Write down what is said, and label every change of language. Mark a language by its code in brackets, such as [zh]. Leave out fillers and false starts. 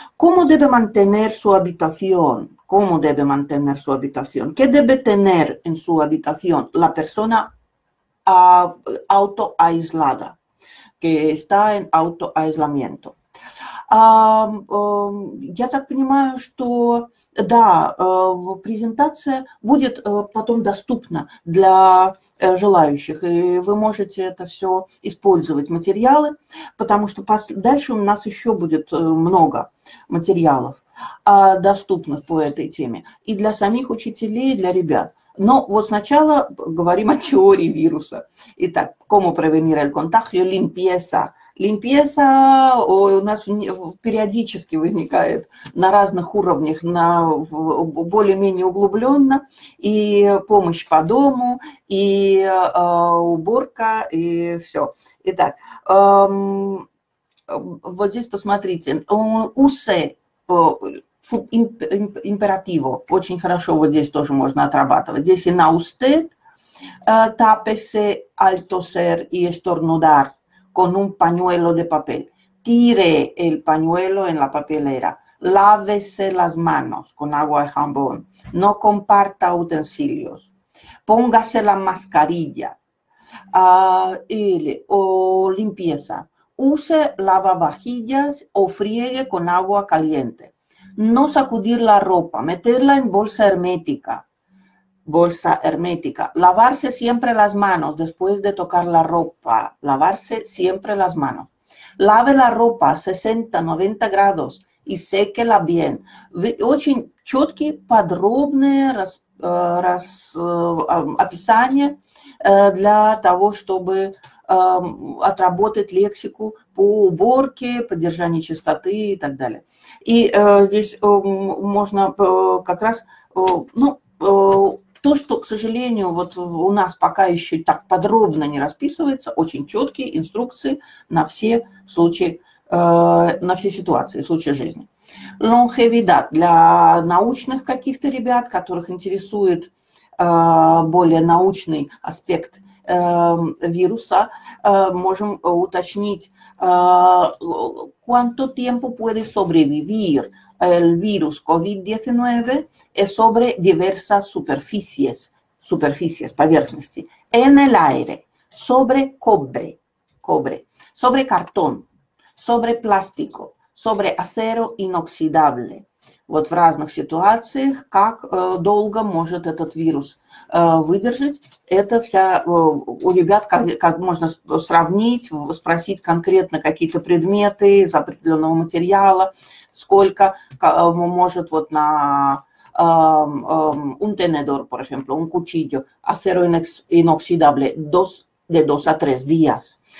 [es] ¿Cómo debe mantener su habitación? ¿Cómo debe mantener su habitación? ¿Qué debe tener en su habitación la persona autoaislada? Que está en autoaislamiento. [ru] Я так понимаю, что да, презентация будет потом доступна для желающих, и вы можете это все использовать, материалы, потому что дальше у нас еще будет много материалов доступных по этой теме и для самих учителей, и для ребят. Но вот сначала говорим о теории вируса. Итак, [es] cómo prevenir el contagio, limpieza. [ru] Limpieza у нас периодически возникает на разных уровнях, на более-менее углубленно. И помощь по дому, и уборка, и все. Итак, вот здесь посмотрите. Use императиво. Очень хорошо вот здесь тоже можно отрабатывать. Здесь и на [es] usted tápese al toser y estornudar con un pañuelo de papel. Tire el pañuelo en la papelera. Lávese las manos con agua y jabón. No comparta utensilios. Póngase la mascarilla. Limpieza. Use lavavajillas o friegue con agua caliente. No sacudir la ropa. Meterla en bolsa hermética. Bolsa hermética. Lavarse siempre las manos después de tocar la ropa. Lavarse siempre las manos. Lave la ropa a 60-90 grados y séquela bien. [ru] Очень четкие, подробные описания для того, чтобы отработать лексику по уборке, поддержанию чистоты и так далее. И здесь можно как раз, ну, то, что, к сожалению, вот у нас пока еще так подробно не расписывается, очень четкие инструкции на все случаи, на все ситуации, случаи жизни. Longevidad для научных каких-то ребят, которых интересует более научный аспект вируса, можем уточнить, [es] cuánto tiempo puede sobrevivir el virus COVID-19 sobre diversas superficies, [ru] поверхности, [es] en el aire, sobre cobre, sobre cartón, sobre plástico, sobre acero inoxidable. [ru] Вот в разных ситуациях, как долго может этот вирус выдержать, это вся у ребят, как можно сравнить, спросить конкретно какие-то предметы из определенного материала, сколько может вот на [es] un tenedor, por ejemplo, un cuchillo, acero inoxidable, de dos a tres días.